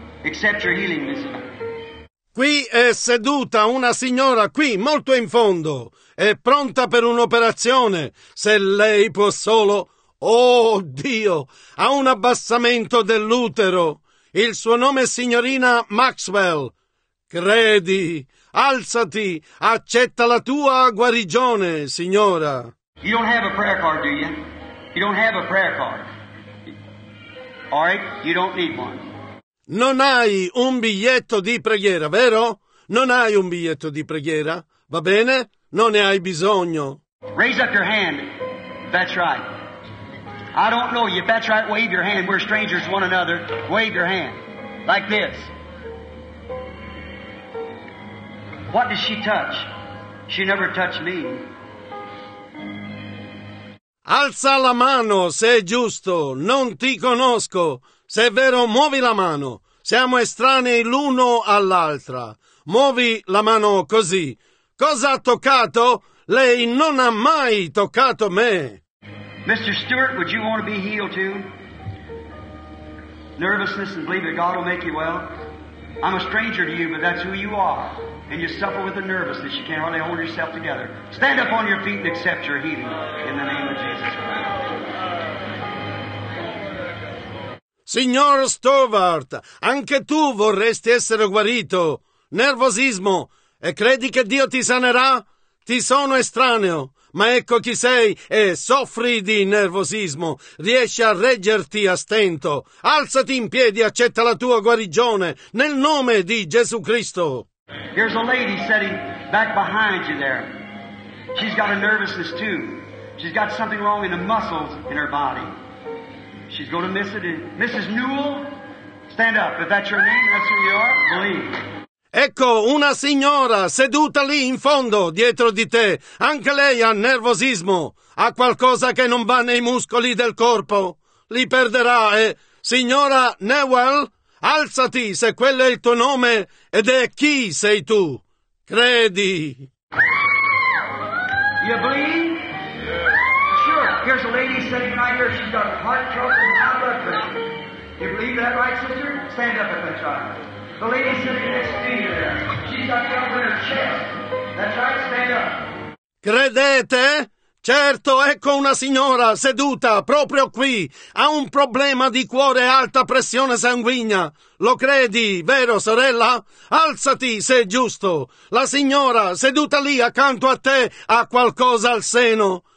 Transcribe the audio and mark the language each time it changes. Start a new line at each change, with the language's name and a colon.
English: Accept your healing, Miss.
Italian: Qui è seduta una signora, qui, molto in fondo. È pronta per un'operazione. Se lei può solo. Oh Dio! Ha un abbassamento dell'utero. Il suo nome è signorina Maxwell. Credi, alzati, accetta la tua guarigione, signora.
English: You don't have a prayer card, do you? You don't have a prayer card. All right, you don't need one.
Italian: Non hai un biglietto di preghiera, vero? Non hai un biglietto di preghiera? Va bene? Non ne hai bisogno.
English: Raise up your hand. That's right. I don't know you. If that's right, wave your hand. We're strangers to one another. Wave your hand. Like this. What does she touch? She never touched me.
Italian: Alza la mano se è giusto. Non ti conosco. Se è vero, muovi la mano. Siamo estranei l'uno all'altra. Muovi la mano così. Cosa ha toccato? Lei non ha mai toccato me.
English: Mr. Stewart, would you want to be healed too? Nervousness and believe that God will make you well? I'm a stranger to you, but that's who you are. And you suffer with a nervousness. You can't hardly hold yourself together. Stand up on your feet and accept your healing in the name of Jesus Christ.
Italian: Signor Stewart, anche tu vorresti essere guarito. Nervosismo. E credi che Dio ti sanerà? Ti sono estraneo. Ma ecco chi sei e soffri di nervosismo. Riesci a reggerti a stento. Alzati in piedi e accetta la tua guarigione nel nome di Gesù Cristo.
English: Here's a lady sitting back behind you there. She's got a nervousness too. She's got something wrong in the muscles in her body. She's going to miss it. Mrs. Newell, Stand up. If that's your name, that's who you are, believe.
Italian: Ecco una signora seduta lì in fondo, dietro di te. Anche lei ha nervosismo. Ha qualcosa che non va nei muscoli del corpo. Li perderà e... Signora Newell, alzati se quello è il tuo nome ed è chi sei tu. Credi.
English: You believe? Here's a lady sitting right here. She's got heart trouble and high blood pressure. You believe that, right, sister? Stand up if that's right. The lady sitting next to you there. She's got trouble in her chest. That's right, stand up.
Italian: Credete? Certo, ecco una signora seduta proprio qui. Ha un problema di cuore e alta pressione sanguigna. Lo credi, vero sorella? Alzati se è giusto. La signora seduta lì accanto a te ha qualcosa al seno.